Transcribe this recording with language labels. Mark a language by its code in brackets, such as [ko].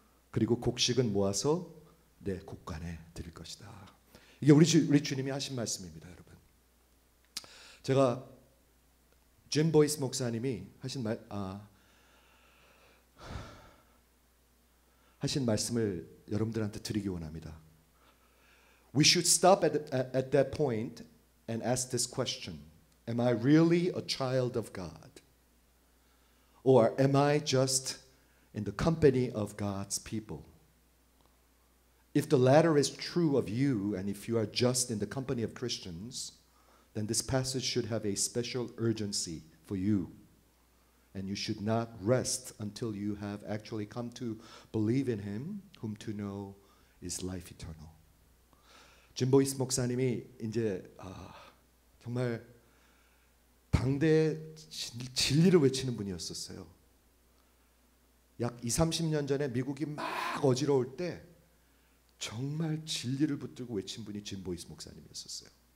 [ko] 그리고 곡식은 모아서 내 곳간에 드릴 것이다. 이게 우리 주님이 하신 말씀입니다. 여러분. 제가 짐 보이스 목사님이 하신 말씀을 여러분들한테 드리기 원합니다. [en] We should stop at that point and ask this question. Am I really a child of God? Or am I just in the company of God's people? If the latter is true of you and if you are just in the company of Christians, then this passage should have a special urgency for you. And you should not rest until you have actually come to believe in him whom to know is life eternal. [ko] 짐 보이스 목사님이 이제 정말 당대의 진리를 외치는 분이었었어요. 약 20, 30년 전에 미국이 막 어지러울 때 정말 진리를 붙들고 외친 분이 짐 보이스 목사님이었었어요.